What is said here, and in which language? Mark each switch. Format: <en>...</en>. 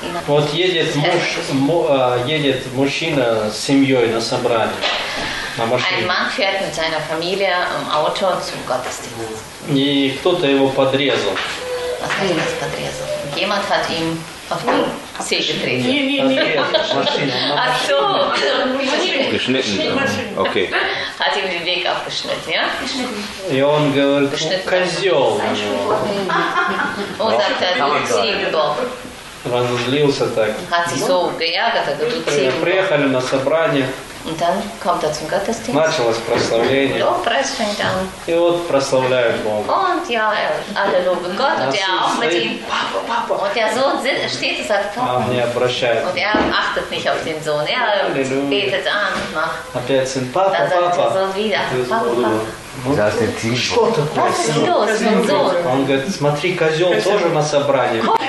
<ru>Вот едет муж, едет мужчина с семьей на собрание.</ru> <de>Ein Mann fährt mit seiner Familie im Auto zum Gottesdienst.</de> <ru>И кто-то его подрезал.</ru> <de>Was hat ihn das</de> <ru>подрезал?</ru> <de>Jemand hat ihm auf den See getreten. Ach so. Geschnitten. Okay. Hat ihm den Weg abgeschnitten, ja?</de> <ru>И он говорит, козел. Он</ru> <de>sagt, du Ziegenbock.</de> <ru>Разозлился так.</ru> <de>Hat sich so geärgert, du Ziegenbock.</de> <ru>Приехали на собрание.</ru> <de>Und dann kommt er zum Gottesdienst.</de> <ru>Началось прославление.</ru> <de>Doch, Preis fängt an.</de> <ru>И вот прославляют Бога.</ru> <de>Und ja, alle loben Gott. Und er auch mit ihm.</de> <ru>Папа.</ru> <de>Und der Sohn steht und sagt, Papa.</de> <ru>Он не обращает.</ru> <de>Und er achtet nicht auf den Sohn. Er betet an und macht.</de> <ru>Опять сын, Папа, Папа.</ru> <de>Dann sagt der Sohn wieder, Papa, Papa. Das ist ein Team.</de> <ru>Что такое?</ru> <de>Was ist los, mein Sohn?</de> <ru>Он говорит, смотри, козел тоже на собрании.</ru>